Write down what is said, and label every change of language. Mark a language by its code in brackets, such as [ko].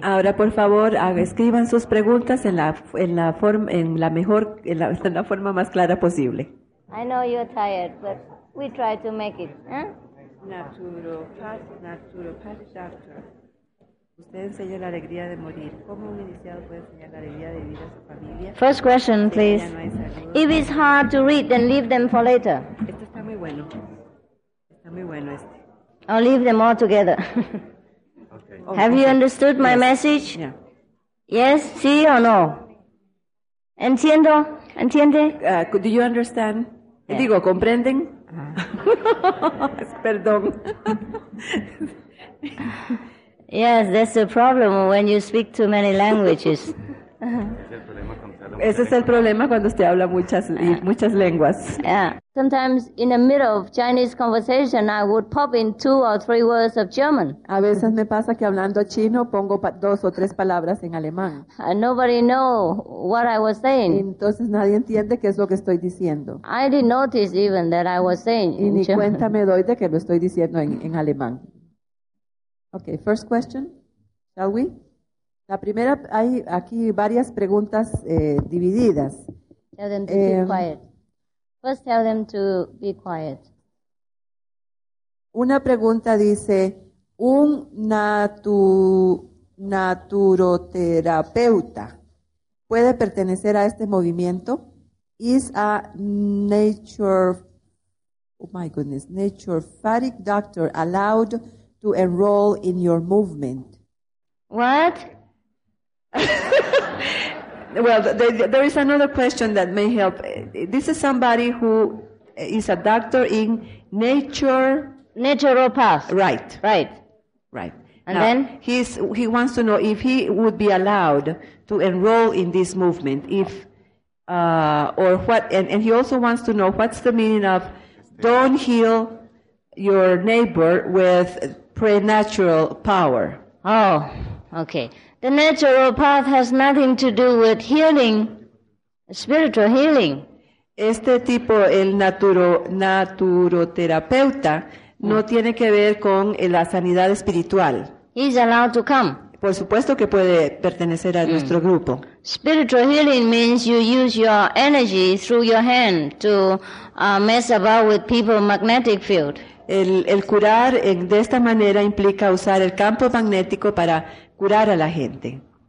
[es] Ahora, por favor, escriban sus preguntas en la forma más clara posible. [en] I know you're tired, but we try to make it. Naturopath doctor. [es] Usted enseña la alegría de morir. ¿Cómo un iniciado puede enseñar la alegría de vivir a su familia? [en] First question, please. If it's hard to read, then leave them for later. [es] Esto está muy bueno. Está muy bueno este. [en] I'll leave them all together. Okay. Have you understood my message? Yeah. Yes, [es] sí o no? Entiendo? Entiende? [en] Do you understand? Yeah. [es] Digo, ¿comprenden? Perdón. [en] Yes, that's the problem when you speak too many languages. [es] Ese es el problema cuando usted habla muchas lenguas. [en] Yeah. Sometimes in the middle of Chinese conversation, I would pop in 2 or 3 words of German. [es] A veces me pasa que hablando chino pongo 2 o 3 palabras en alemán. [en] And nobody know what I was saying. [es] Y entonces nadie entiende qué es lo que estoy diciendo. [en] I didn't notice even that I was saying. [es] Y ni cuenta me doy de que lo estoy diciendo en alemán. [en] Okay, first question, shall we? [es] La primera, hay aquí varias preguntas divididas. [en] Tell them to be quiet. First, tell them to be quiet. [es] Una pregunta dice, un naturoterapeuta puede pertenecer a este movimiento? [en] Is a naturopathic doctor allowed to enroll in your movement? What? Well, there is another question that may help. This is somebody who is a doctor in naturopath. Right. Right. Right. And now, then? He wants to know if he would be allowed to enroll in this movement. And he also wants to know what's the meaning of don't heal your neighbor with preternatural power. Oh, okay. The naturopath has nothing to do with healing, spiritual healing. [es] Este tipo, el naturoterapeuta, no tiene que ver con la sanidad espiritual. [en] He's allowed to come. [es] Por supuesto que puede pertenecer a nuestro grupo. [en] Spiritual healing means you use your energy through your hand to mess about with people's magnetic field. [es] El curar de esta manera implica usar el campo magnético para curar a la gente.